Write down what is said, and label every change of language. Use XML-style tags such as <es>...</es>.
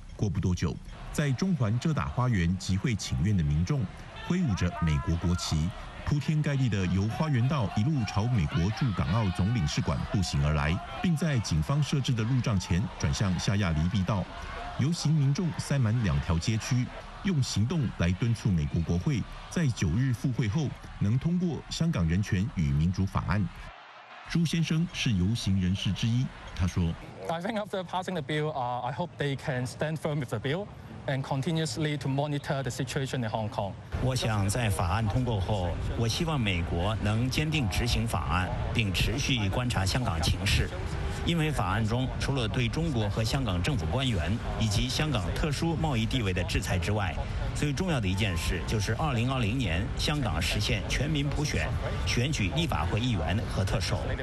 <zh>过不多久，在中环遮打花园集会请愿的民众挥舞着美国国旗，铺天盖地的由花园道一路朝美国驻港澳总领事馆步行而来，并在警方设置的路障前转向下亚厘壁道。游行民众塞满两条街区，用行动来敦促美国国会在九日复会后能通过《香港人权与民主法案》。朱先生是游行人士之一，他说</zh> <en>：“I think after passing the bill, I hope they can stand firm with the bill and continuously to monitor the situation in Hong Kong。”</en> <zh>我想在法案通过后，我希望美国能坚定执行法案，并持续观察香港情势。因为法案中除了对中国和香港政府官员以及香港特殊贸易地位的制裁之外，最重要的一件事就是2020年香港实现全民普选，选举立法会议员和特首。</zh>